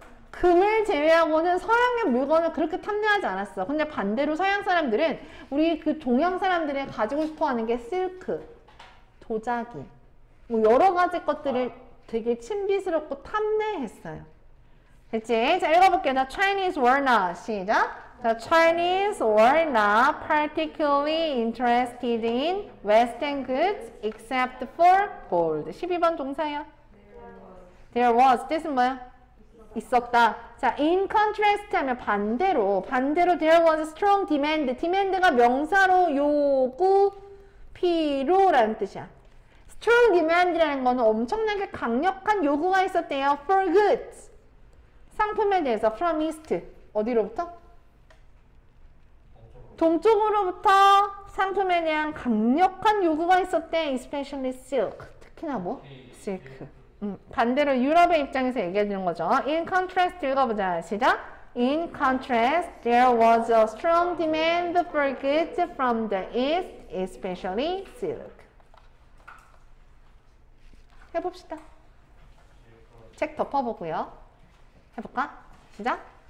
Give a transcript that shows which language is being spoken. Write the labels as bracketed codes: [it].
[ko] 금을 제외하고는 서양의 물건을 그렇게 탐내하지 않았어. 근데 반대로 서양 사람들은 우리 그 동양 사람들의 가지고 싶어하는 게 실크, 도자기 뭐 여러 가지 것들을 되게 침비스럽고 탐내했어요. 됐지? 자, 읽어볼게요. [en] The Chinese were not. [ko] 시작. [en] The Chinese were not particularly interested in Western goods except for gold. [ko] 12번 동사요. There was. This은 뭐야? 있었다. [en] 자, in contrast [ko] 하면 반대로. 반대로 [en] there was a strong demand. [ko] demand가 명사로 요구, 필요라는 뜻이야. strong demand라는 건 엄청나게 강력한 요구가 있었대요. for goods. 상품에 대해서 from east. 어디로부터? 동쪽으로부터 상품에 대한 강력한 요구가 있었대. especially silk. 특히나 뭐? silk. 반대로 유럽의 입장에서 얘기해주는 거죠. In contrast, 읽어보자. 시작. [en] In contrast, there was a strong demand for goods from the east, especially silk. [ko] 해봅시다. 책 덮어보고요. 해볼까? 시작.